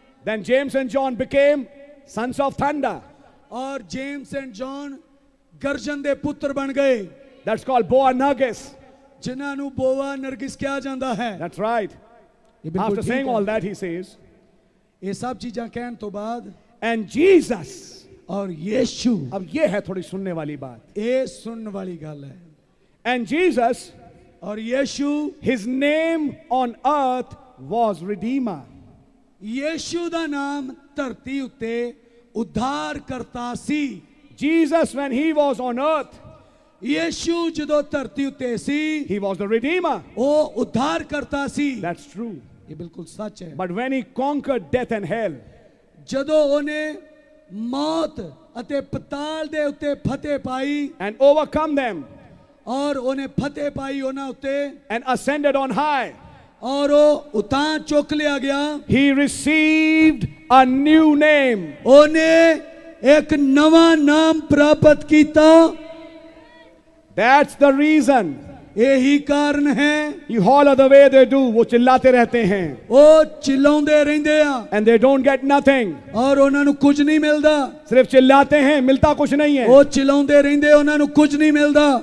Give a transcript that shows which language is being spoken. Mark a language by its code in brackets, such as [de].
[en] Then James and John became sons of thunder [pa] और James and John गर्जन दे पुत्र बन गए [en] That's called Boanerges [pa] जिन्हां नूं Boanerges कहा जांदा है [en] That's right After saying all that he says [pa] ये सब चीजां कहन तो बाद [en] And Jesus, [pa] और यीशु, [hi] अब ये है थोड़ी सुनने वाली बात, [pa] ये सुनने वाली गल है, [en] And Jesus, [pa] और यीशु, [en] His name on earth was Redeemer, [pa] यीशु दा नाम धरती उत्ते उद्धार करता सी, [en] Jesus when He was on earth, [pa] यीशु जदो धरती उत्ते सी, [en] He was the Redeemer, [pa] ओ उद्धार करता सी, [en] That's true, [pa] ये बिल्कुल सच है, [en] But when He conquered death and hell. [pa] जदो उने मौत अते पताल दे उते फते पाई [en] and overcome them [pa] और उने फते पाई उना उते [en] and ascended on high [pa] और ओ उतां चुक लिया गया [en] he received a new name [pa] उने एक नवा नाम प्राप्त कीता [en] that's the reason [pa] यही कारण है [en] you all are the way they do [hi] वो चिल्लाते रहते हैं [pa] ओ चिल्लाउंदे रहंदे आ [en] and they don't get nothing [pa] और ओना नु कुछ नहीं मिलदा [hi] सिर्फ चिल्लाते हैं मिलता कुछ नहीं है [pa] ओ चिल्लाउंदे रहंदे ओना नु कुछ नहीं मिलदा